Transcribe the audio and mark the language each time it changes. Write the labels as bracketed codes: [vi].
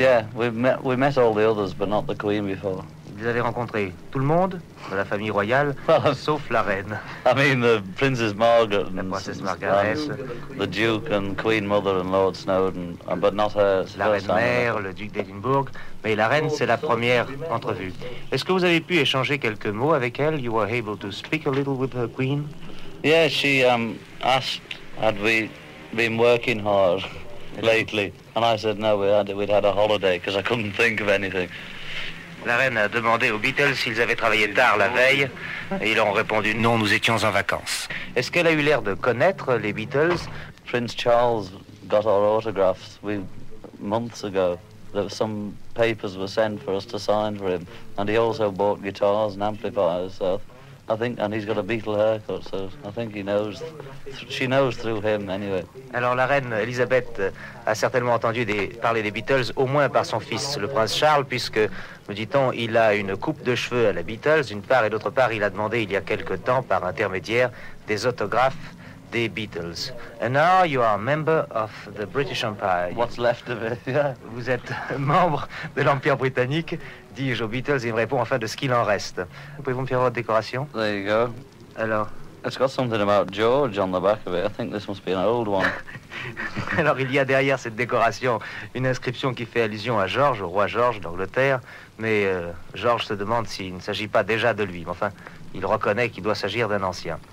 [en] Yeah, we met all the others, but not the queen before. [fr] Vous avez rencontré tout le monde de la famille royale, sauf la reine. [en] I mean, the Princess Margaret, [fr] la princesse Margaret, [en] the Duke and Queen Mother and Lord Snowden, but not her. [fr] La reine mère, le duc d'Edimbourg, mais la reine, c'est la première entrevue. Est-ce que vous avez pu échanger quelques mots avec elle? [en] You were able to speak a little with her queen? Yeah, she asked, had we been working hard lately? And I said, no, we'd had a holiday, because I couldn't think of anything. [fr] La reine a demandé aux Beatles s'ils avaient travaillé tard la veille, et ils ont répondu non, nous étions en vacances. Est-ce qu'elle a eu l'air de connaître les Beatles? [en] Prince Charles got our autographs months ago. Some papers were sent for us to sign for him, and he also bought guitars and amplifiers. So I think, and he's got a Beatle haircut, so I think she knows through him anyway. [fr] Alors la reine Elisabeth a certainement entendu parler des Beatles au moins par son fils, le prince Charles, puisque me dit-on, il a une coupe de cheveux à la Beatles, d'une part, et d'autre part, il a demandé il y a quelque temps, par intermédiaire, des autographes des Beatles. [en] And now you are a member of the British Empire. What's left of it, yeah. [fr] Vous êtes membre de l'Empire britannique, dis-je aux Beatles, et il me répond enfin de ce qu'il en reste. Pouvez-vous me faire votre décoration? [en] There you go. [fr] Alors? [en] It's got something about George on the back of it. I think this must be an old one. [fr] Alors, il y a derrière cette décoration une inscription qui fait allusion à George, au roi George d'Angleterre, mais George se demande s'il ne s'agit pas déjà de lui. Enfin, il reconnaît qu'il doit s'agir d'un ancien.